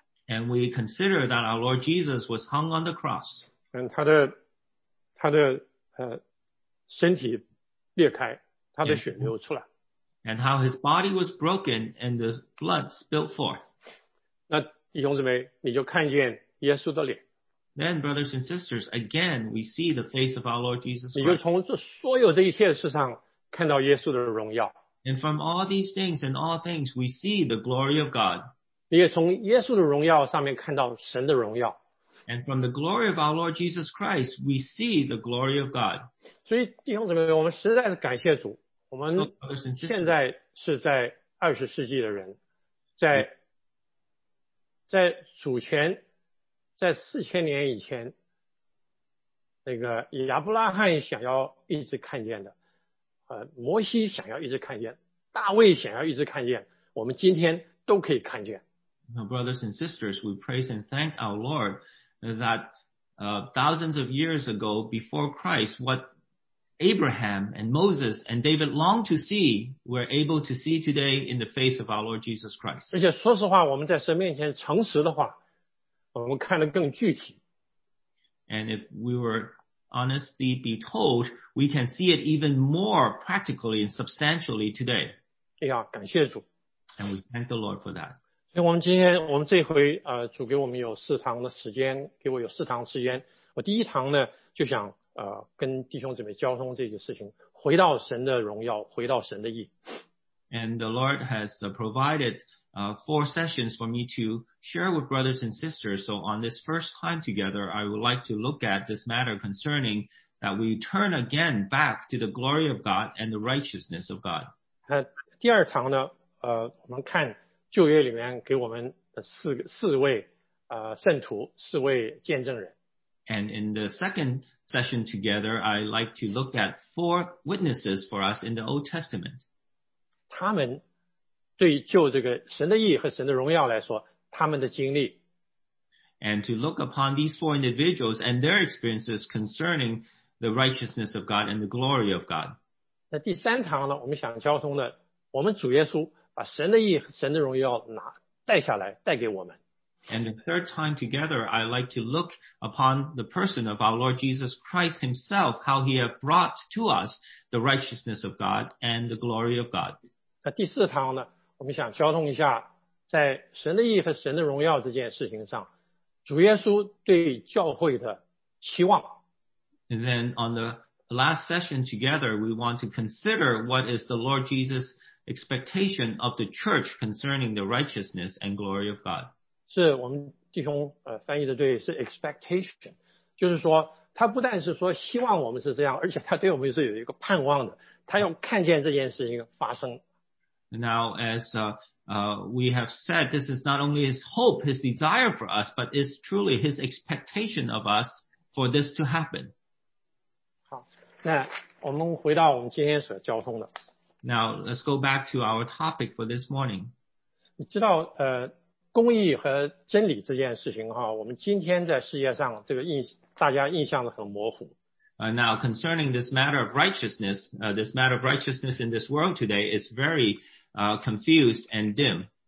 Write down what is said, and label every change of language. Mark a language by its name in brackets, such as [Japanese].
[English] And we consider that our Lord Jesus was hung on the cross. [Chinese] 他的身体裂开，他的血流出来。 [English] And how his body was broken and the blood spilled forth. [Chinese] 那弟兄姊妹，你就看见耶稣的脸。 [English] Then, brothers and sisters, again, we see the face of our Lord Jesus Christ. [Chinese] 你就从这所有这一切事上看到耶稣的荣耀。 [English] And from all these things and all things, we see the glory of God. [Chinese] 你也从耶稣的荣耀上面看到神的荣耀。 [English] And from the glory of our Lord Jesus Christ, we see the glory of God. [Chinese] 所以弟兄姊妹，我们实在是感谢主。我们现在是在二十世纪的人，在主前，在四千年以前，那个亚伯拉罕想要一直看见的，摩西想要一直看见，大卫想要一直看见，我们今天都可以看见。 [English] Now, brothers and sisters, we praise and thank our Lord that thousands of years ago, before Christ, what Abraham and Moses and David longed to see, we're able to see today in the face of our Lord Jesus Christ. [Chinese] 而且说实话，我们在神面前诚实的话，我们看得更具体。 [English] And if we were honestly be told, we can see it even more practically and substantially today. [Chinese] 哎呀，感谢主。 [English] And we thank the Lord for that. [Chinese] 所以我们今天，我们这回，主给我们有四堂的时间，给我有四堂时间。我第一堂呢，就想跟弟兄姊妹交通这件事情，回到神的荣耀，回到神的义。 [English] And the Lord has provided four sessions for me to share with brothers and sisters. So on this first time together, I would like to look at this matter concerning that we turn again back to the glory of God and the righteousness of God. [Chinese] 第二堂呢，我们看旧约里面给我们四位圣徒，四位见证人。 [English] And in the second session together, I like to look at four witnesses for us in the Old Testament. [Chinese] 他们对就这个神的义和神的荣耀来说，他们的经历。 [English] And to look upon these four individuals and their experiences concerning the righteousness of God and the glory of God. [Chinese] 那第三堂呢，我们想交通的，我们主耶稣把神的义和神的荣耀带下来，带给我们。 [English] And the third time together, I like to look upon the person of our Lord Jesus Christ himself, how he has brought to us the righteousness of God and the glory of God. [Chinese] 那第四堂呢，我们想交通一下，在神的义和神的荣耀这件事情上，主耶稣对教会的期望。 [English] And then on the last session together, we want to consider what is the Lord Jesus' expectation of the church concerning the righteousness and glory of God. [Chinese] 是我们弟兄翻译的对，是 expectation， 就是说他不但是说希望我们是这样，而且他对我们是有一个盼望的，他要看见这件事情发生。 [English] Now as we have said, this is not only his hope, his desire for us, but it's truly his expectation of us for this to happen. [Chinese] 好，那我们回到我们今天所交通的。 [English] Now let's go back to our topic for this morning. [Chinese] 你知道公义和真理这件事情，我们今天在世界上这个大家印象的很模糊。 [English] Now concerning this matter of righteousness, this matter of righteousness in this world today is very confused and dim.